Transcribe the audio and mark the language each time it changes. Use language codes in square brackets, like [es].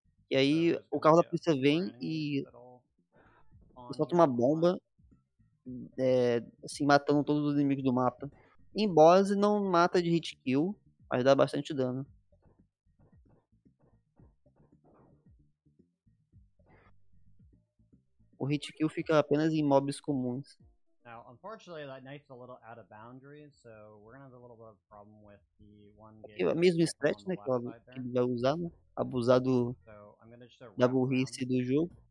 [pt] E aí o carro da polícia vem e solta uma bomba, assim, matando todos os inimigos do mapa. Em boss não mata de hit kill, mas dá bastante dano. O hit kill fica apenas em mobs comuns. [en] Now, unfortunately, that knife's a little out of boundaries, so we're gonna have a little bit of problem with the one game. [pt] É o mesmo stretch, né, que ele vai usar, né? Abusar da burrice do jogo.